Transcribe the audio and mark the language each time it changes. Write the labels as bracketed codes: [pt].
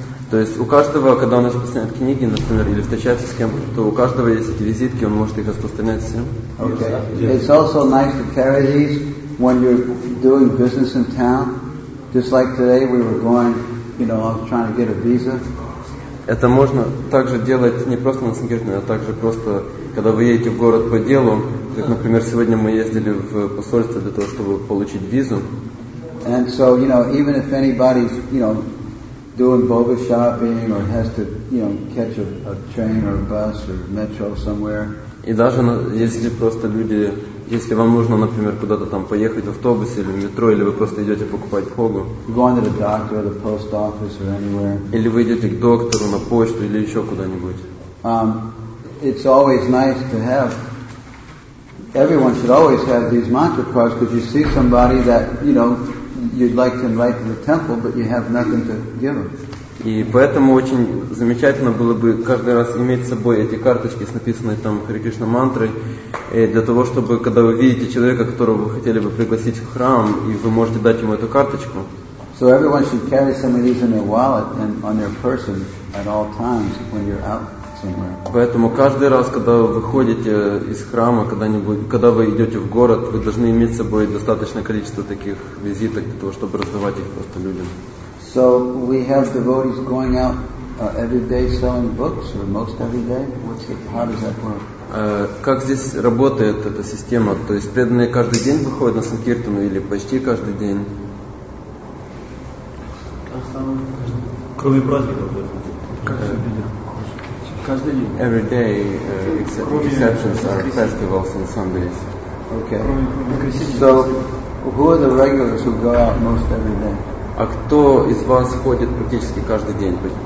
[ru] То есть у каждого, когда он распространяет книги, например, или встречается с кем, то у каждого есть эти визитки, он может их распространять всем. [en] Okay. It's also nice to carry these when you're doing business in town. Just like today, we were going, you know, I was trying to get a visa. [ru] Это можно также делать не просто на Санкиртане, а также просто, когда вы едете в город по делу. Как, например, сегодня мы ездили в посольство для того, чтобы получить визу. [en] And so, you know, even if anybody's, you know, doing boga shopping or has to, you know, catch a train or a bus or metro somewhere. [ru] И даже если просто люди, если вам нужно, например, куда-то там поехать в автобусе или в метро, или вы просто идете покупать хогу. [en] Going to the doctor, the post office, or anywhere. [ru] Или вы идете к доктору, на почту, или еще куда-нибудь. [en] It's always nice to have. Everyone should always have these mantra cards, because you see somebody that, you know, you'd like to invite to the temple, but you have nothing to give them. [ru] И поэтому очень замечательно было бы каждый раз иметь с собой эти карточки с написанной там Хари Кришна мантрой, для того, чтобы когда вы видите человека, которого вы хотели бы пригласить в храм, и вы можете дать ему эту карточку. [en] So everyone should carry some of these in their wallet and on their person at all times when you're out somewhere. [ru] Поэтому каждый раз, когда вы выходите из храма, когда вы идете в город, вы должны иметь с собой достаточное количество таких визиток для того, чтобы раздавать их просто людям. [en] So we have devotees going out every day selling books, or most every day. How does that work? [ru] Как здесь работает эта система? То есть преданные каждый день выходят на санкиртану или почти каждый день? Кроме праздников. Каждый день. [en] Every day, exceptions are festivals and Sundays. Okay. So who are the regulars who go out most every day? [ru] А кто из вас ходит практически каждый день?